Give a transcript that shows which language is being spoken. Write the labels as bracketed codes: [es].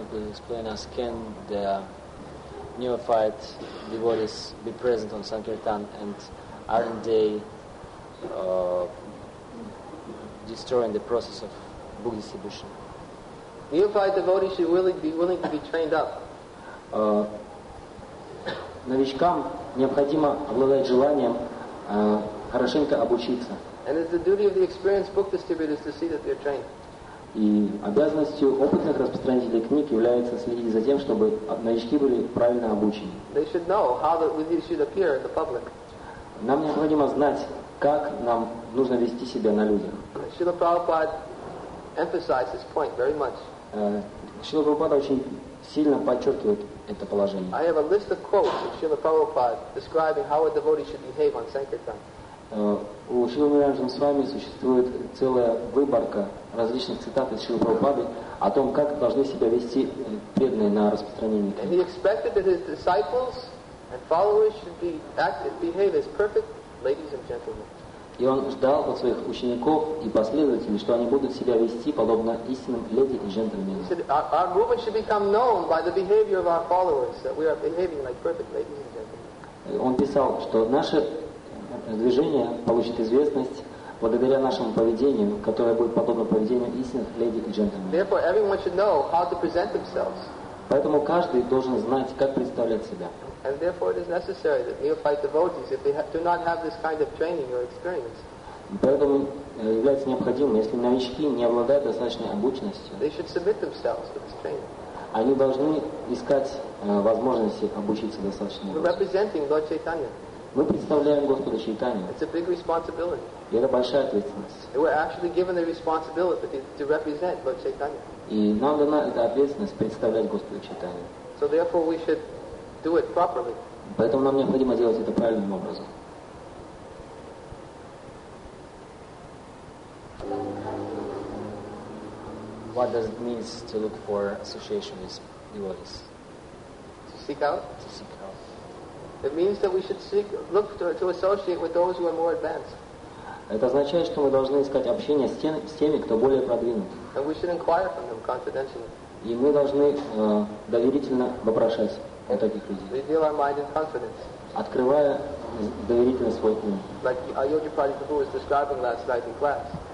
[en] Explain us, can the neophyte devotees be present on Sankirtan and aren't they destroying the process of book distribution? Neophyte devotees should really be willing to be trained up. [ru] Новичкам необходимо обладать желанием хорошенько обучиться. [en] And it's the duty of the experienced book distributors to see that they're trained. [ru] И обязанностью опытных распространителей книг является следить за тем, чтобы новички были правильно обучены. [en] They should know how they should appear in the public. [ru] Нам необходимо знать, как нам нужно вести себя на людях. [en] Srila Prabhupada emphasized this point very much. [ru] Srila Prabhupada очень сильно подчеркивает это положение. [en] I have a list of quotes of Srila Prabhupada describing how a devotee should behave on Sankirtan. [ru] У Шрилы Нараяна Свами существует целая выборка различных цитат из Шрилы Прабхупады о том, как должны себя вести преданные на распространении книг. [en] And he expected that his disciples and followers should be active, behave as perfect ladies and gentlemen. [ru] И он ждал от своих учеников и последователей, что они будут себя вести подобно истинным леди и джентльменам. [en] He said, our movement should become known by the behavior of our followers, that we are behaving like perfect ladies and gentlemen. [ru] Он писал, что наше движение получит известность благодаря нашему поведению, которое будет подобно поведению истинных леди и джентльменов. [en] Therefore, everyone should know how to present themselves. [ru] Поэтому каждый должен знать, как представлять себя. [en] And therefore, it is necessary that neophyte devotees, if they do not have this kind of training or experience, [ru] поэтому является необходимым, если новички не обладают достаточной обученностью, [en] they should submit themselves to this training. [ru] Они должны искать возможности обучиться достаточно. [en] We're representing Lord Chaitanya. [ru] Мы представляем Господа Чайтанью. [en] It's a big responsibility. [ru] И это большая ответственность. [en] We're actually given the responsibility to represent Lord Chaitanya. [ru] И нам дана эта ответственность представлять Господа Чайтанью. [en] So therefore we should do it properly. [ru] Поэтому нам необходимо делать это правильным образом. [en] What does it mean to look for association with devotees? To seek out? To seek out. It means that we should seek, look to associate with those who are more advanced. [ru] Это означает, что мы должны искать общение с теми, кто более продвинут. [en] And we should inquire from them confidentially. [ru] И мы должны доверительно вопрошать у таких людей. [en] Reveal our mind in confidence. [ru] Открывая доверительно свой ум. [en] Like Ayodhya Prabhupada was describing last night in class.